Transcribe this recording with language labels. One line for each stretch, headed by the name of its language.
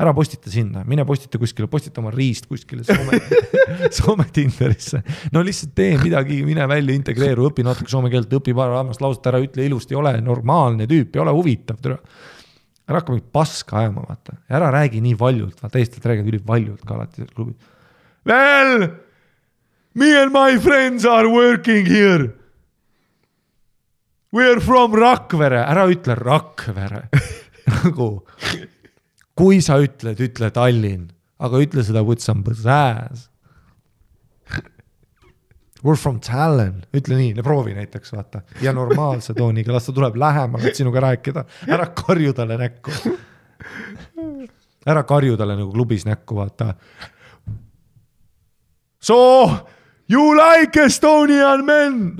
Estonian: ära postita sinna , mine postita kuskile , postita oma riist kuskile Soome Tinderisse . No lihtsalt tee midagi , mine välja , integreeru , õpi natuke soome keelt , õpi paar armast lauset ära , ütle ilusti , ole normaalne tüüp , ole huvitav , tere . ära hakka mingit paska ajama , vaata . ära räägi nii valjult , vaata eestlased räägivad ülivaljult ka alati seal klubis .
English: Well , me and my friends are working here . We are from Rakvere ,
Estonian: ära ütle Rakvere . nagu kui sa ütled , ütle Tallinn , aga ütle seda
English: with some pizzazz . We're from Tallinn
Estonian: , ütle nii , proovi näiteks vaata ja normaalse tooniga , las ta tuleb lähemale , et sinuga rääkida , ära karju talle näkku . ära karju talle nagu klubis näkku , vaata .
English: So you like Estonian men ?